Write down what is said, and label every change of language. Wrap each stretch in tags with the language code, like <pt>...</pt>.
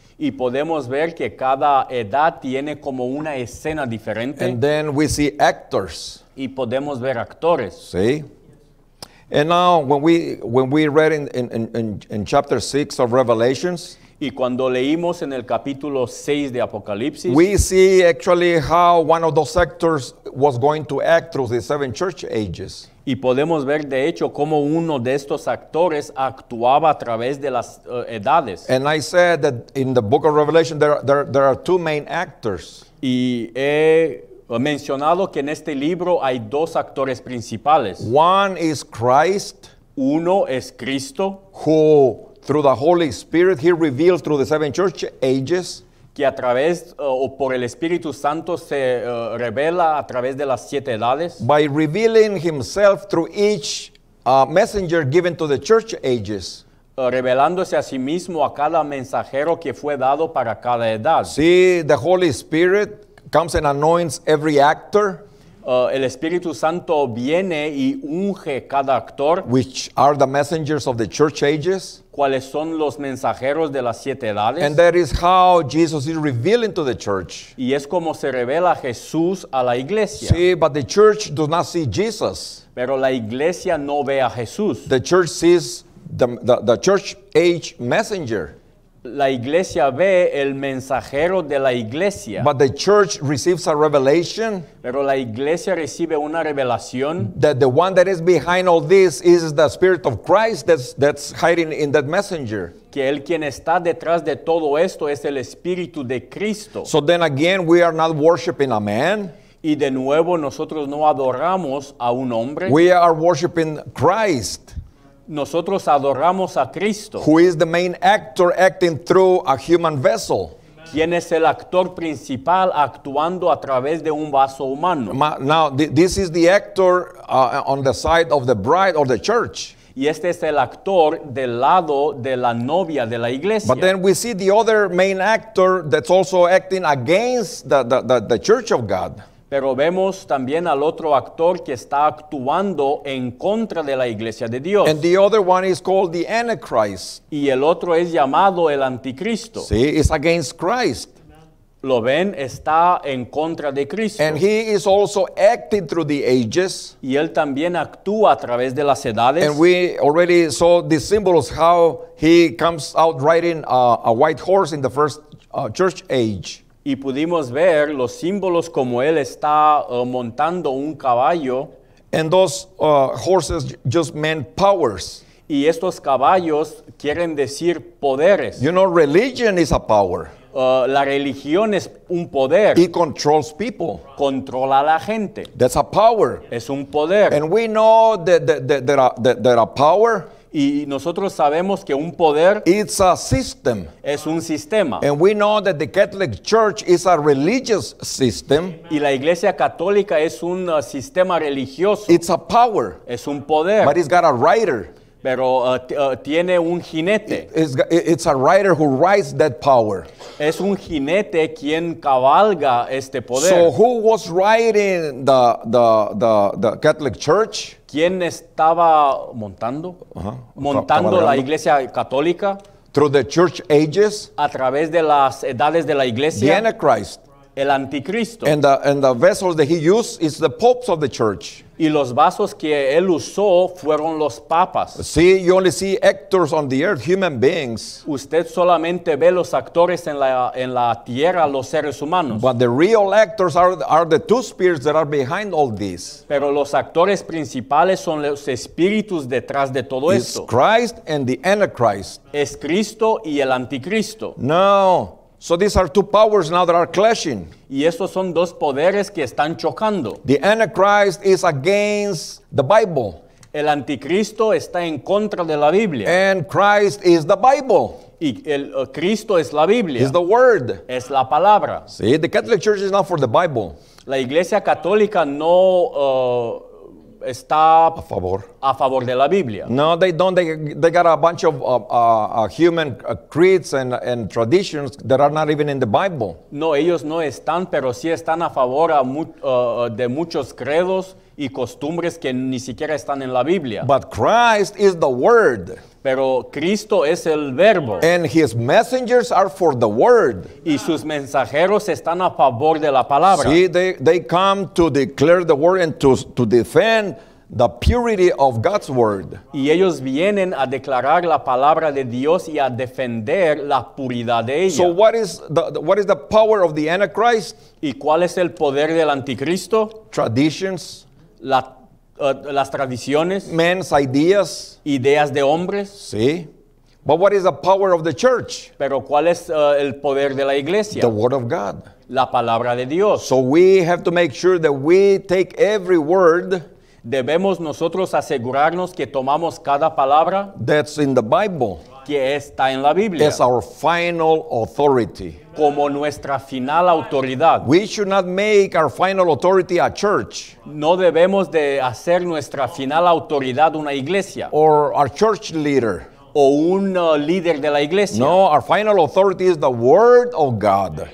<es>Y podemos ver que cada edad tiene como una escena diferente.</es> <en>And then we see actors.</en> <es>Y podemos ver actores. Sí.</es> <en>And now when we read in chapter 6 of Revelations,</en> <es>y cuando leímos en el capítulo 6 de Apocalipsis,</es> <en>we see actually how one of those sectors was going to act through the seven church ages.</en> <es>Y podemos ver de hecho cómo uno de estos actores actuaba a través de las edades.</es> <en>And I said that in the book of Revelation there are two main actors.</en> <es>Y he mencionado que en este libro hay dos actores principales.</es> <en>One is Christ.</en> <es>Uno es Cristo.</es> <en>Who through the Holy Spirit he revealed through the seven church ages,</en> <es>que a través o por el Espíritu Santo se revela a través de las siete edades,</es> <en>by revealing himself through each messenger given to the church ages,</en> <es>revelándose a sí mismo a cada mensajero que fue dado para cada edad.</es> <en>See, the Holy Spirit comes and anoints every actor.</en> <es>El Espíritu Santo viene y unge cada actor.</es> <en>Which are the messengers of the church ages.</en> <es>¿Cuáles son los mensajeros de las siete edades?</es> <en>And that is how Jesus is revealing to the church.</en> <es>Y es como se revela Jesús a la iglesia.</es> <en>See, but the church does not see Jesus.</en> <es>Pero la iglesia no ve a Jesús.</es> <en>The church sees the church age messenger.</en> <es>La iglesia ve el mensajero de la iglesia.</es> <en>But the church receives a revelation.</en> <es>Pero la iglesia recibe una revelación.</es> <en>That the one that is behind all this is the Spirit of Christ that's hiding in that messenger.</en> <es>Que el quien está detrás de todo esto es el Espíritu de Cristo.</es> <en>So then again, we are not worshiping a man.</en> <es>Y de nuevo, nosotros no adoramos a un hombre.</es> <en>We are worshiping Christ.</en> <es>Nosotros adoramos a Cristo.</es> <en>Who is the main actor acting through a human vessel?</en> <es>¿Quién es el actor principal actuando a través de un vaso humano?</es> <en>Now, this is the actor on the side of the bride or the church.</en> <es>Y este es el actor del lado de la novia de la iglesia.</es> <en>But then we see the other main actor that's also acting against the church of God.</en> <es>Pero vemos también al otro actor que está actuando en contra de la iglesia de Dios.</es> <en>And the other one is called the Antichrist.</en> <es>Y el otro es llamado el anticristo.</es> <en>See, it's against Christ.</en> <es>Lo ven, está en contra de Cristo.</es> <en>And he is also acting through the ages.</en> <es>Y él también actúa a través de las edades.</es> <en>And we already saw the symbols how he comes out riding a white horse in the first church age.</en> <es>Y pudimos ver los símbolos como él está montando un caballo.</es> <en>And those horses just meant powers.</en> <es>Y estos caballos quieren decir poderes.</es> <en>You know, religion is a power.</en> <es>La religión es un poder.</es> <en>It controls people.</en> <es>Controla a la gente.</es> <en>That's a power.</en> <es>Es un poder.</es> <en>And we know that a power.</en> <es>Y nosotros sabemos que un poder,</es> <en>it's a system.</en> <es>Es un sistema.</es> <en>And we know that the Catholic Church is a religious system.</en> <es>Y la iglesia católica es un sistema religioso.</es> <en>It's a power.</en> <es>Es un poder.</es> <en>But it's got a rider.</en> <es>Pero tiene un jinete.</es> <en>It's a rider who rides that power.</en> <es>Es un jinete quien cabalga este poder.</es> <en>So who was riding the Catholic Church?</en> <es>¿Quién estaba montando? Montando la iglesia católica.</es> <en>Through the church ages.</en> <es>A través de las edades de la iglesia.</es> <en>The Antichrist.</en> <es>El anticristo.</es> <en>And the vessels that he used is the popes of the church.</en> <es>Y los vasos que él usó fueron los papas.</es> <en>See, you only see actors on the earth, human beings.</en> <es>Usted solamente ve los actores en la tierra, los seres humanos.</es> <en>But the real actors are the two spirits that are behind all this.</en> <es>Pero los actores principales son los espíritus detrás de todo esto.</es> <en>It's Christ and the Antichrist.</en> <es>Es Cristo y el Anticristo. No.</es> <en>So these are two powers now that are clashing.</en> <es>Y esos son dos poderes que están chocando.</es> <en>The Antichrist is against the Bible.</en> <es>El anticristo está en contra de la Biblia.</es> <en>And Christ is the Bible.</en> <es>Y el Cristo es la Biblia.</es> <en>Is the Word.</en> <es>Es la palabra.</es> <en>See, the Catholic Church is not for the Bible.</en> <es>La Iglesia Católica no está a favor de la Biblia.</es> <en>No, they don't. They got a bunch of human creeds and traditions that are not even in the Bible.</en> <es>No, ellos no están, pero sí están a favor a de muchos credos y costumbres que ni siquiera están en la Biblia.</es> <en>But Christ is the Word.</en> <es>Pero Cristo es el Verbo.</es> <en>And his messengers are for the Word.</en> <es>Y sus mensajeros están a favor de la palabra.</es> <en>See, they come to declare the Word and to defend the purity of God's Word.</en> <es>Y ellos vienen a declarar la palabra de Dios y a defender la puridad de ella.</es> <en>So what is the power of the Antichrist?</en> <es>¿Y cuál es el poder del Anticristo?</es> <en>Traditions.</en> <es>Las tradiciones.</es> <en>Men's ideas.</en> <es>Ideas de hombres. Sí.</es> <en>But what is the power of the church?</en> <es>Pero ¿cuál es el poder de la iglesia?</es> <en>The Word of God.</en> <es>La palabra de Dios.</es> <en>So we have to make sure that we take every word.</en> <es>Debemos nosotros asegurarnos que tomamos cada palabra.</es> <en>That's in the Bible.</en> <es>Que está en la Biblia.</es> <en>As our final authority.</en> <es>Como nuestra final autoridad.</es> <en>We should not make our final authority a church.</en> <es>No debemos de hacer nuestra final autoridad una iglesia.</es> <en>Or our church leader.</en> <es>O un líder de la iglesia.</es> <en>No, our final authority is the Word of God.</en>